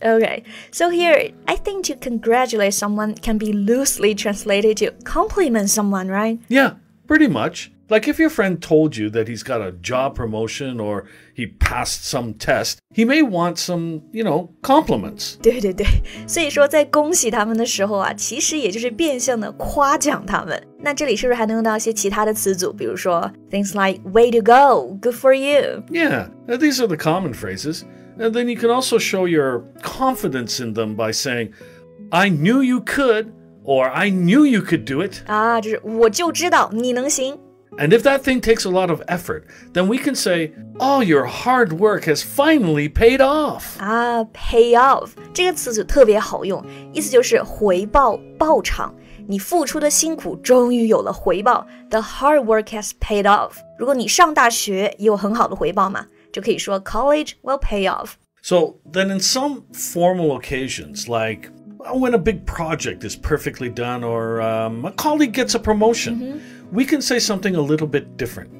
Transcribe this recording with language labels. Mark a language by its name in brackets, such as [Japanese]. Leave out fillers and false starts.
[English] Okay, so here, I think to congratulate someone can be loosely translated to compliment someone, right? Yeah, pretty much. Like if your friend told you that he's got a job promotion or he passed some test, he may want some, you know, compliments. [Chinese] 对对对，所以说在恭喜他们的时候啊，其实也就是变相的夸奖他们。那这里是不是还能用到一些其他的词组，比如说 [English] things like way to go, good for you. Yeah, these are the common phrases. And then you can also show your confidence in them by saying, I knew you could, or I knew you could do it. [Chinese] 啊，就是我就知道你能行。 [English] And if that thing takes a lot of effort, then we can say, all your hard work has finally paid off. Ah, pay off. [Chinese] 这个词组特别好用，意思就是回报报偿。你付出的辛苦终于有了回报。 [English] The hard work has paid off. [Chinese] 如果你上大学也有很好的回报嘛，就可以说 [English] college will pay off. So then in some formal occasions, like when a big project is perfectly done or a colleague gets a promotion,We can say something a little bit different.